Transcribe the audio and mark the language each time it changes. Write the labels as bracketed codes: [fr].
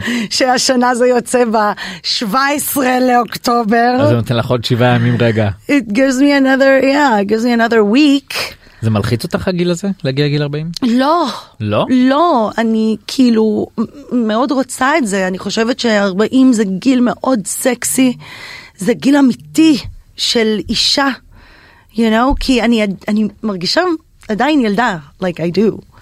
[he] שהשנה זה יוצא ב-17 לאוקטובר. אז זה נותן לך עוד 7 ימים רגע. [en] It gives me another, yeah, it gives me another week. [he] זה מלחיץ אותך הגיל הזה? להגיע לגיל 40? לא. לא? לא, אני כאילו מאוד רוצה את זה. אני חושבת ש-40 זה גיל מאוד סקסי. זה גיל אמיתי של אישה. [en] You know, [he] כי אני מרגישה עדיין ילדה. [en] Like I do.